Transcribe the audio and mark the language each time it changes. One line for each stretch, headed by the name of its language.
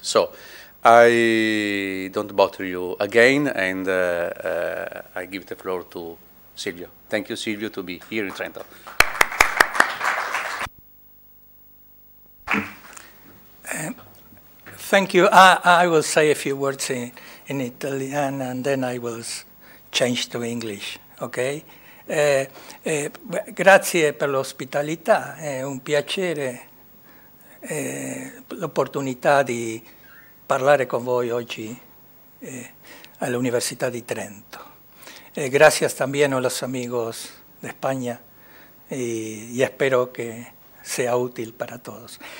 English: So I don't bother you again, and I give the floor to Silvio. Thank you, Silvio, to be here in Trento. Thank you. I will say a few words in Italian, and then I will change to English, ok?
Italian: Grazie per l'ospitalità, è un piacere l'opportunità di parlare con voi oggi all'Università di Trento.
Spanish: Gracias también a los amigos de España y espero que sea útil para todos.